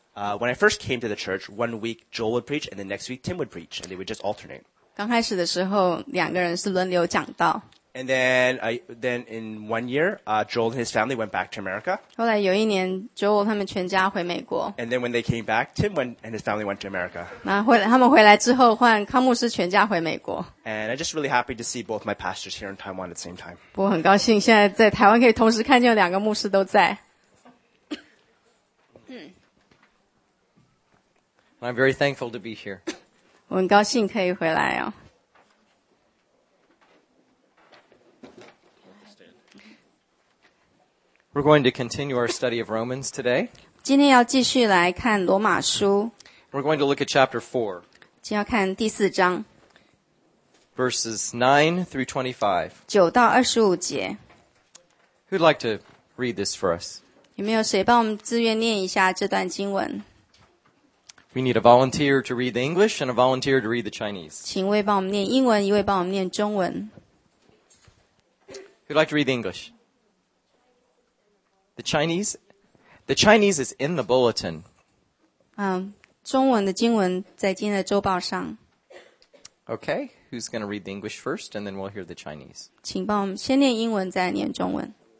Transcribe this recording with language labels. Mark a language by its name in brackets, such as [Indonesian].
[English] When I first came to the church, 1 week Joel would preach and the next week Tim would preach and they would just alternate. [Chinese] 刚开始的时候，两个人是轮流讲道。 [English] And then in 1 year, Joel and his family went back to America. [Chinese] 后来有一年, Joel 他们全家回美国。 [English] And then when they came back, Tim went, and his family went to America. [Chinese] 他们回来之后, 换康牧师全家回美国。 [English] And I'm just really happy to see both my pastors here in Taiwan at the same time. [Chinese] 我很高兴现在在台湾可以同时看见两个牧师都在。 [English] I'm very thankful to be here. [Chinese] 我很高兴可以回来哦。 [English] We're going to continue our study of Romans today. [Chinese] 今天要继续来看罗马书。 [English] We're going to look at chapter 4. [Chinese] 今天要看第四章。 [English] Verses 9 through 25. [Chinese] 9到25节。 [English] Who'd like to read this for us? [Chinese] 有没有谁帮我们自愿念一下这段经文? [English] We need a volunteer to read the English and a volunteer to read the Chinese. [Chinese] 请一位帮我们念英文，一位帮我们念中文。 [English] Who'd like to read the English? The Chinese is in the bulletin. [Chinese] 中文的经文在今天的周报上。 [English] Okay, who's going to read the English first, and then we'll hear the Chinese. [Chinese] 请帮我们先念英文，再念中文。